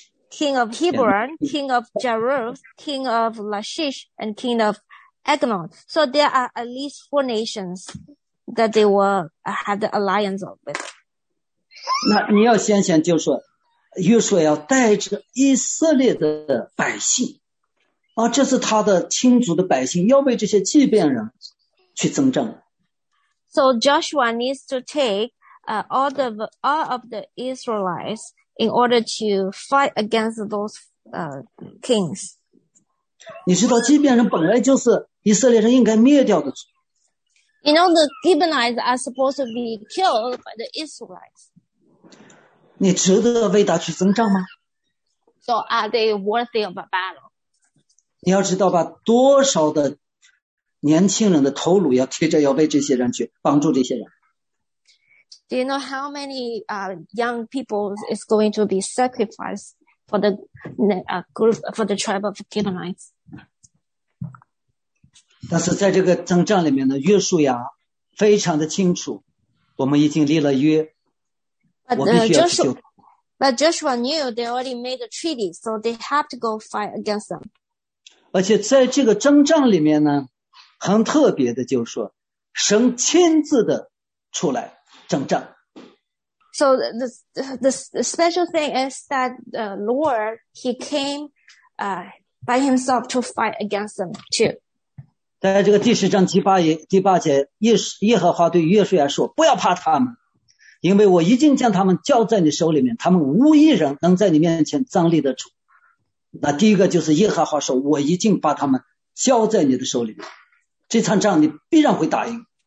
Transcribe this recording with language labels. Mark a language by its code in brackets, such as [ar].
[en] King of Hebron, king of Jaruth, king of Lashish, and king of Eglon. So there are at least four nations that they were had the alliance of with. [zh] 那你要先想就是说，约书亚要带着以色列的百姓，这是他的亲族的百姓，要为这些基甸人。去征战。 [en] So Joshua needs to take all of the Israelites in order to fight against those kings. [zh] 你知道基甸人本来就是以色列人应该灭掉的。 [en] You know the Gibeonites are supposed to be killed by the Israelites. [zh] 你值得为他去征战吗？ [en] So are they worthy of a battle? [zh] 你要知道吧，多少的年轻人的头颅要贴着，要为这些人去帮助这些人。 [en] Do you know how many young people is going to be sacrificed for the group for the tribe of Gibeonites? [zh] 但是在这个征战里面呢，约书亚非常的清楚，我们已经立了约，我必须要去救。 [en] But Joshua knew they already made a treaty, so they have to go fight against them. [zh] 而且在这个征战里面呢，很特别的就是说，神亲自的出来征战。 [en] So the special thing is that the Lord, he came, by himself to fight against them too. [zh] 在这个第十章第八节，耶和华对约书亚说，不要怕他们。因为我已经将他们交在你手里面，他们无一人能在你面前站立得住。那第一个就是耶和华说，我已经把他们交在你的手里面，这场仗你必然会打赢。